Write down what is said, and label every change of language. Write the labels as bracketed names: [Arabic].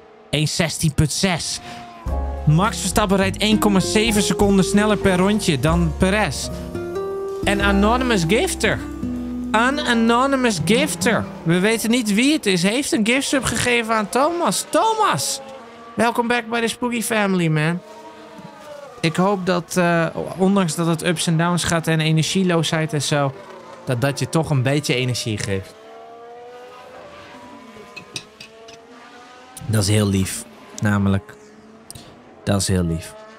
[Dutch] 1.16.6. Max Verstappen rijdt 1,7 seconden sneller per rondje dan Perez. Een anonymous gifter. Een anonymous gifter. We weten niet wie het is. Heeft een gift sub gegeven aan Thomas. Thomas! [English] Welcome back by the Spooky Family, man. [Dutch] Ik hoop dat, ondanks dat het ups en downs gaat en energieloosheid en zo, dat je toch een beetje energie geeft. Dat is heel lief. Namelijk, dat is heel lief.